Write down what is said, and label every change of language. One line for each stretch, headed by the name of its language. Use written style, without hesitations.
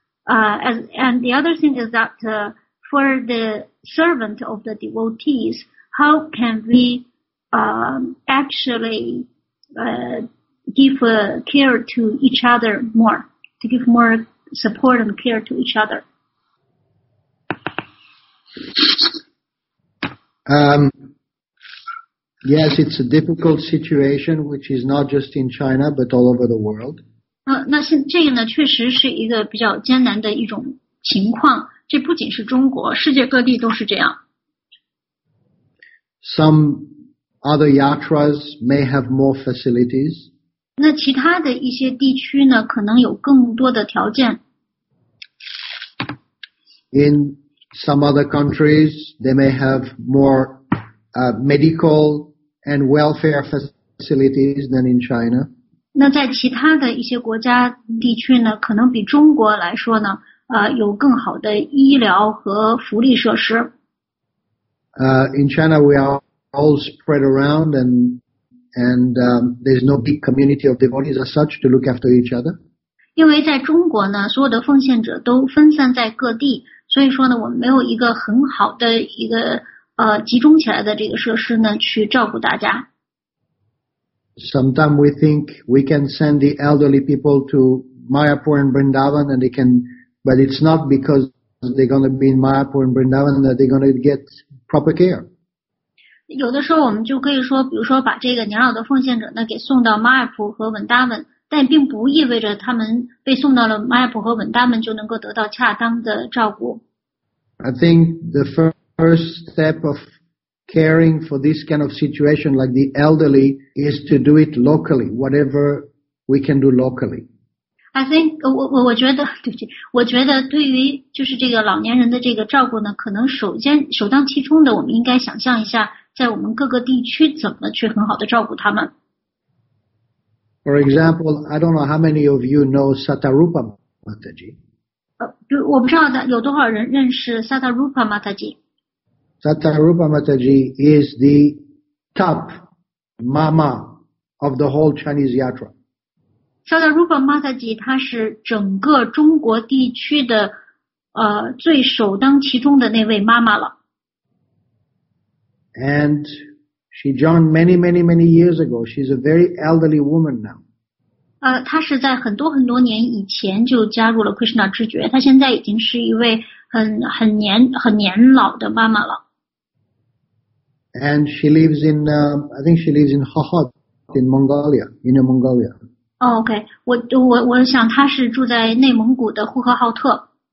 English: And the other thing is that for the servant of the devotees, how can we actually give care to each other more, to give more support and care to each other? Yes, it's a difficult situation, which is not just in China, but all over the world.
Chinese: 那现这个呢，确实是一个比较艰难的一种情况。这不仅是中国，世界各地都是这样。
English: Some other yatras may have more facilities.
Chinese: 那其他的一些地区呢，可能有更多的条件。
English: In some other countries, they may have more medical and welfare facilities than in China.
Chinese: 那在其他的一些国家地区呢，可能比中国来说呢，有更好的医疗和福利设施。
English: In China, we are all spread around, and there's no big community of devotees as such to look after each other.
Chinese: 因为在中国呢，所有的奉献者都分散在各地，所以说呢，我们没有一个很好的一个集中起来的这个设施呢，去照顾大家。
English: Sometimes we think we can send the elderly people to Mayapur and Vrindavan, and they can, but it's not because they're going to be in Mayapur and Vrindavan that they're going to get proper care.
Chinese: 有的时候我们就可以说，比如说把这个年老的奉献者呢给送到 Mayapur 和 Vrindavan， 但并不意味着他们被送到了 Mayapur 和 Vrindavan 就能够得到恰当的照顾。
English: I think the first step of caring for this kind of situation like the elderly is to do it locally, whatever we can do locally. I think,
Chinese: 我觉得，对不起，我觉得对于就是这个老年人的这个照顾呢，可能首当其冲的我们应该想象一下在我们各个地区怎么去很好的照顾他们。
English: For example, I don't know how many of you know Satarupa Mataji.
Chinese: 我不知道的有多少人认识 Satarupa Mataji。
English: Satarupa Mataji is the top mama of the whole Chinese yatra.
Chinese: Satarupa Mataji, 她是整个中国地区的最首当其冲的那位妈妈了。
English: And she joined many, many, many years ago. She's a very elderly woman now.
Chinese: 她是在很多很多年以前就加入了 Krishna 知觉，她现在已经是一位很年老的妈妈了。
English: And she lives in, I think she lives in Khokhot, in Mongolia, Inner Mongolia. Oh, okay.
Chinese: 我想她是住在内蒙古的呼和浩特。